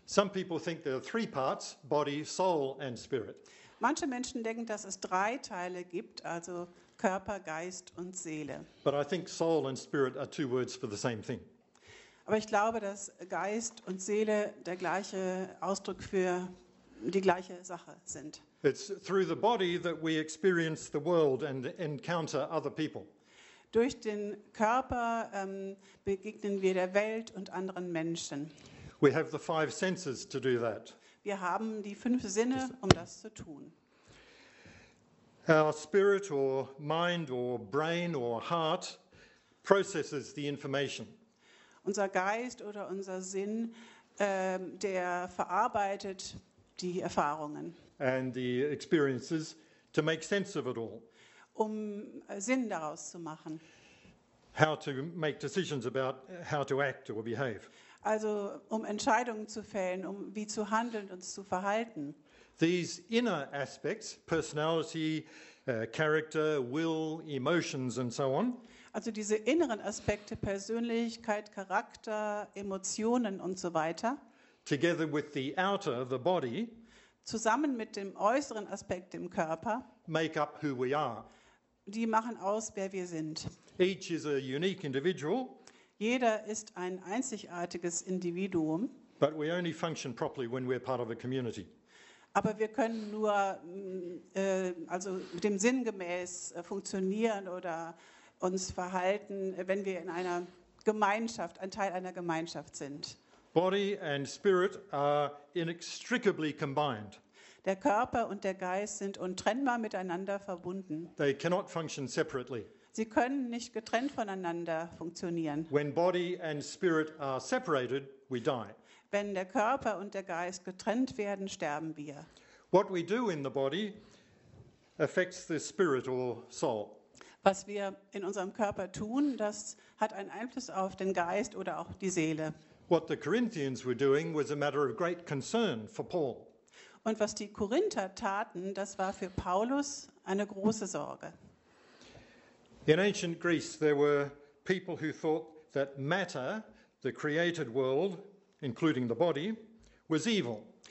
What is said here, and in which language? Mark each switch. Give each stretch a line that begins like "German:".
English: Some people think there are three parts, body, soul and spirit.
German: Manche Menschen denken, dass es drei Teile gibt, also Körper, Geist und Seele.
English: But I think soul and spirit are two words for the same thing.
German: Aber ich glaube, dass Geist und Seele der gleiche Ausdruck für die gleiche Sache sind.
English: It's through the body that we experience the world and encounter other people.
German: Durch den Körper begegnen wir der Welt und anderen Menschen.
English: We have the five senses to do that.
German: Wir haben die fünf Sinne, um das zu tun.
English: Our spirit or mind or brain or heart processes the information.
German: Unser Geist oder unser Sinn, der verarbeitet die Erfahrungen.
English: And the experiences to make sense of it all.
German: Um Sinn daraus zu machen.
English: How to make decisions about how to act or behave.
German: Also um Entscheidungen zu fällen, um wie zu handeln und zu verhalten.
English: These inner aspects, personality, character, will, emotions and so on.
German: Also diese inneren Aspekte, Persönlichkeit, Charakter, Emotionen und so weiter.
English: Together with the outer, the body.
German: Zusammen mit dem äußeren Aspekt, dem Körper.
English: Make up who we are.
German: Die machen aus, wer wir sind.
English: Each is a unique individual.
German: Jeder ist ein einzigartiges Individuum.
English: But we only function properly when we're part of a community.
German: Aber wir können nur also dem Sinn gemäß funktionieren oder uns verhalten, wenn wir in einer Gemeinschaft, ein Teil einer Gemeinschaft sind.
English: Body and spirit are inextricably combined.
German: Der Körper und der Geist sind untrennbar miteinander verbunden.
English: They cannot function separately.
German: Sie können nicht getrennt voneinander funktionieren.
English: When body and spirit are separated, we die.
German: Wenn der Körper und der Geist getrennt werden, sterben wir.
English: What we do in the body affects the spirit or soul.
German: Was wir in unserem Körper tun, das hat einen Einfluss auf den Geist oder auch die Seele.
English: What the Corinthians were doing was a matter of great concern for Paul.
German: Und was die Korinther taten, das war für Paulus eine große Sorge.
English: In ancient Greece there were people who thought that matter, the created world, including the body, was evil.